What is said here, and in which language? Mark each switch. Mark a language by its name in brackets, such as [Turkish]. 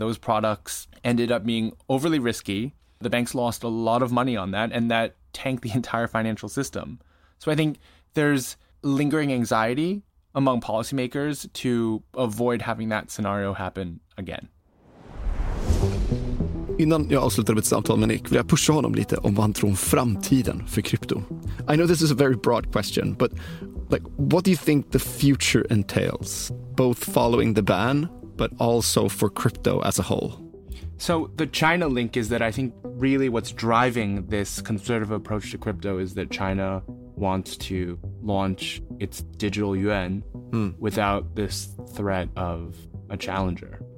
[English] Those products ended up being overly risky. The banks lost a lot of money on that, and that tanked the entire financial system. So I think there's lingering anxiety among policymakers to avoid having that scenario happen again. [Swedish] Innan jag avslutar mitt samtal med Nick vill jag pusha honom lite om vad han tror om framtiden för krypto. [English] I know this is a very broad question, but like, what do you think the future entails, both following the ban, but also for crypto as a whole? So the China link is that I think really what's driving this conservative approach to crypto is that China wants to launch its digital yuan without this threat of a challenger.